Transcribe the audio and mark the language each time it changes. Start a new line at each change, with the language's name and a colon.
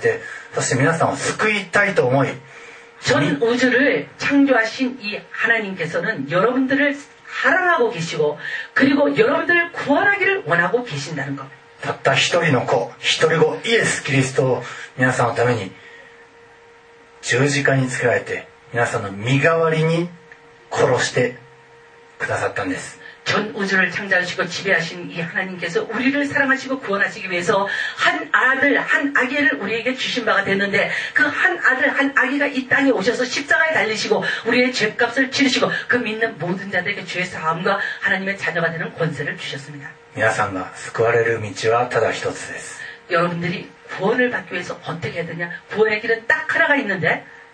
Japanese: 全宇宙を作られたあの神様は皆さんのことを愛しておられて、そして皆さんを救いたいと思い
Korean: 전 우주를 창조하신 이 하나님께서는 여러분들을 사랑하고 계시고 그리고 여러분들을 구원하기를 원하고 계신다는 것.
Japanese: 단한人の子、一人子 예수 그리스도를 皆さんのために 十字架につけられて 皆さんの身代わりに殺してくださったんです。
Korean: 전 우주를 창조하시고 지배하신 이 하나님께서 우리를 사랑하시고 구원하시기 위해서 한 아들, 한 아기를 우리에게 주신 바가 됐는데 그 한 아들, 한 아기가 이 땅에 오셔서 십자가에 달리시고 우리의 죄값을 치르시고 그 믿는 모든 자들에게 죄 사함과 하나님의 자녀가 되는 권세를 주셨습니다.
Japanese: 皆さんが救われる道はただ一つです。
Korean: 여러분들이 구원을 받기 위해서 어떻게 해야 되냐? 구원의 길은 딱 하나가 있는데